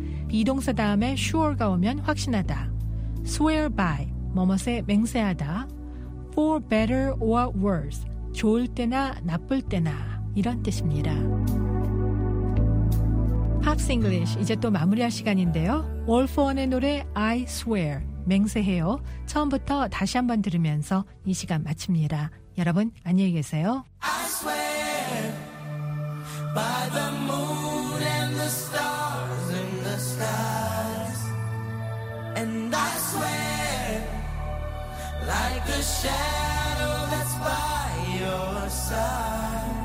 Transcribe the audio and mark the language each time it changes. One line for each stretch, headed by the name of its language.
Korean: 비동사 다음에 sure가 오면 확신하다.
English: Swear by,
Korean: 뭐뭇에 맹세하다.
English: For better or worse,
Korean: 좋을 때나 나쁠 때나, 이런 뜻입니다. Pops English, 이제 또 마무리할 시간인데요. All for One의 노래 I Swear, 맹세해요. 처음부터 다시 한번 들으면서 이 시간 마칩니다. 여러분, 안녕히 계세요.
English: I swear by the moon and the stars in the skies. And I swear like a shadow that's by your side.